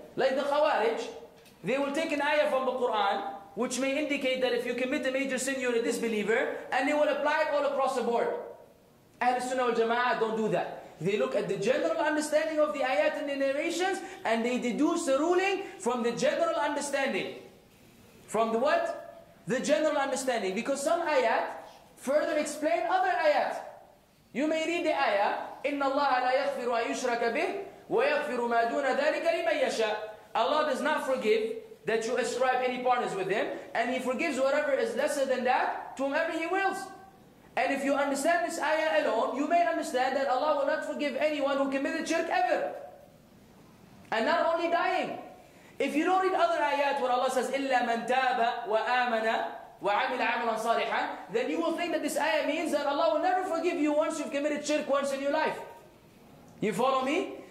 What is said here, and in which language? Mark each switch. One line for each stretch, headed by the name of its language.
English: Like the Khawarij, they will take an ayah from the Quran, which may indicate that if you commit a major sin, you're a disbeliever, and they will apply it all across the board. Ahl Sunnah wal Jama'ah don't do that. They look at the general understanding of the ayat and the narrations, and they deduce the ruling from the general understanding. From the what? The general understanding. Because some ayat further explain other ayat. You may read the ayah,
Arabic: إِنَّ اللَّهَ لَا يَغْفِرُ أَيُشْرَكَ بِهِ وَيَغْفِرُ مَا دُونَ ذَلِكَ لِمَنْ يَشَاءُ.
English: Allah does not forgive that you ascribe any partners with Him, and He forgives whatever is lesser than that to whomever He wills. And if you understand this ayah alone, you may understand that Allah will not forgive anyone who committed shirk ever. And not only dying. If you don't read other ayat where Allah says,
Arabic: إِلَّا مَنْ تَابَ وَآمَنَ وَعَمِلَ عَمَلًا صَالِحًا,
English: then you will think that this ayah means that Allah will never forgive you once you've committed shirk once in your life. You follow me?